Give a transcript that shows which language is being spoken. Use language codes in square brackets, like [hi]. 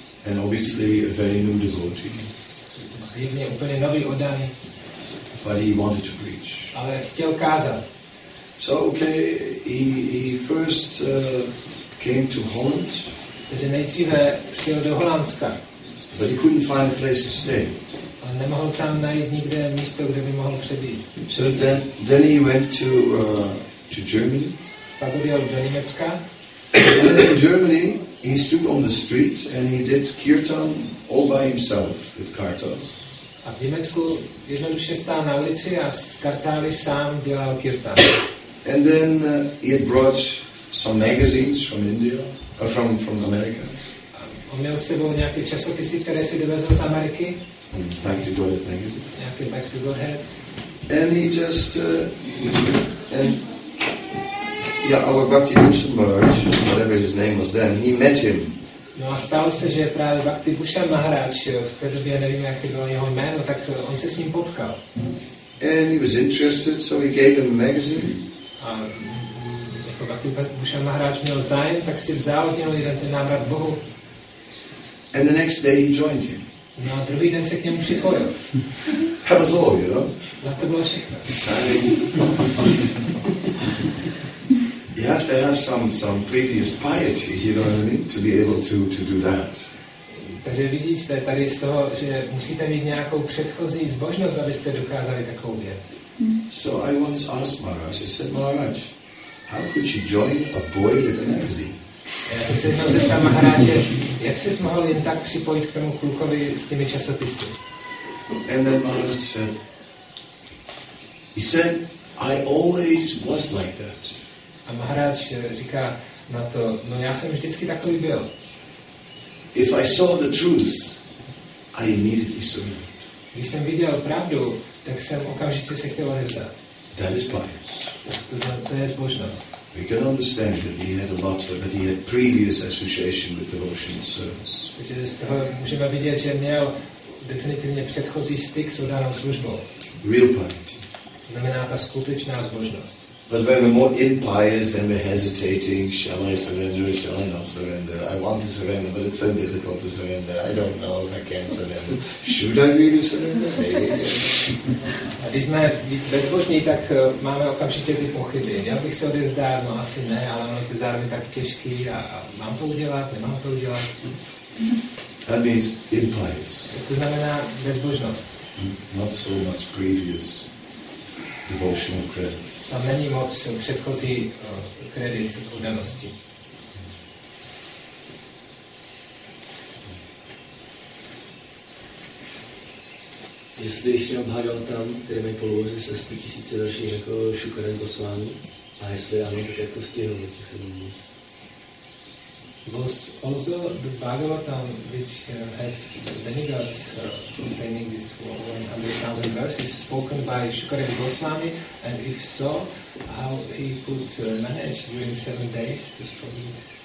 [en] And obviously a very new devotee. [cs] Zjevně úplně nový oddaný. [en] But he wanted to preach. [cs] Ale chtěl kázat. [en] So okay, he first came to Holland. [cs] Takže nejdříve přijel do Holandska. [en] But he couldn't find a place to stay. [cs] A nemohl tam najít nikde místo, kde by mohl přebýt. [en] So then he went to Germany. [cs] Pak odjel do Německa. [en] And in Germany, he stood on the street and he did kirtan all by himself with kartals. [cs] A v Německu jednoduše stál na ulici a s kartály sám dělal kirtan. [en] And then he had brought some magazines from India, from America. [cs] On měl s sebou nějaké časopisy, které si dovezl z Ameriky. [en] Back to Godhead magazine. [cs] Nějaké Back to Godhead. [en] And he just our Bhakti Bhushan Maharaj, whatever his name was then, he met him. [cs] No a stalo se, že právě Bhakti Bhushan Maharaj, v té době nevím, jak to bylo jeho jméno, tak on se s ním potkal. [en] And he was interested, so he gave him a magazine. [cs] A jako Bhakti Bhushan Maharaj měl zájem, tak si vzal od něho jeden ten návrat Bohu. [en] And the next day he joined him. [cs] No a druhý den se k němu připojil. [en] That was all, you know? [cs] A to bylo všechno. [en] You have to have some previous piety, you know what I mean, to be able to do that. [cs] Takže vidíte tady z toho, že musíte mít nějakou předchozí zbožnost, abyste dokázali takovou věc. [en] So I once asked Maharaj, I said, Maharaj, how could you join a boy with a magazine? [cs] Já jsem se jednou zeptal Maharaje, jak jsi mohl jen tak připojit k tomu klukovi s těmi časopisy? [en] And then Maharaj said, he said, I always was like that. [cs] A Maharaj říká na to, no já jsem vždycky takový byl. [en] If I saw the truth, I immediately surrender. [cs] Když jsem viděl pravdu, tak jsem okamžitě se chtěl odevzdat. [en] That is pious. [cs] To je zbožnost. [en] We can understand that he had a lot, but he had previous association with devotional service. [cs] Takže z toho můžeme vidět, že měl definitivně předchozí styk s danou službou. [en] Real piety. [cs] To znamená ta skutečná zbožnost. [en] But when we're more impious, then we're hesitating. Shall I surrender? Shall I not surrender? I want to surrender, but it's so difficult to surrender. I don't know if I can surrender. Should I really surrender? Maybe. [cs] A když jsme víc bezbožní, tak máme okamžitě ty pochyby. Já bych se odevzdal, no asi ne, ale ono je zároveň tak těžký a mám to udělat, nemám to udělat. [en] That means impious. [cs] To znamená bezbožnost. [en] Not so much previous devotional credits. [cs] Tam není moc předchozí kredit oddanosti. Jestli ještě obhájil tam, který mají polovoře se 100 000 dalších jako Shukadev Goswami, a jestli ano, tak jak to stihl za těch 7 dní? [en] Was also the Bhagavatam, which had demigods containing this 100,000 verses, spoken by Shukadev Goswami, and if so, how he could manage during 7 days to spoken it?